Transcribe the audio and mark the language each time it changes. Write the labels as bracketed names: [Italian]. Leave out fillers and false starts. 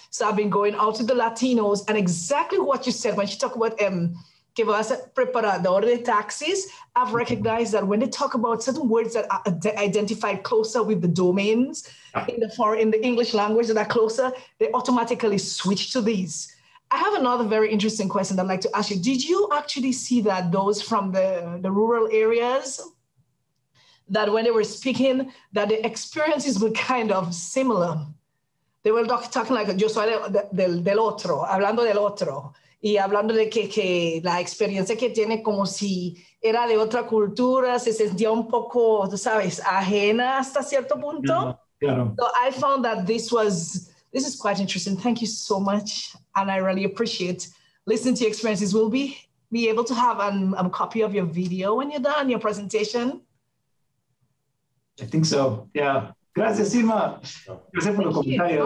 [English] So I've been going out to the Latinos, and exactly what you said, when you talk about give us a [Spanish] preparador de taxis, [English] I've recognized that when they talk about certain words that are identified closer with the domains in the English language that are closer, they automatically switch to these. I have another very interesting question that I'd like to ask you. Did you actually see that those from the rural areas, that when they were speaking, that the experiences were kind of similar? They were talking like, [Spanish] yo soy del otro, hablando del otro, y hablando de que la experiencia que tiene como si era de otra cultura, se sentía un poco, tú sabes, ajena hasta cierto punto. Claro. [English] So I found that this is quite interesting. Thank you so much. And I really appreciate listening to your experiences. We'll be able to have a copy of your video when you're done, your presentation. I think so, yeah. [Spanish] Gracias, Silma. Gracias por los comentarios.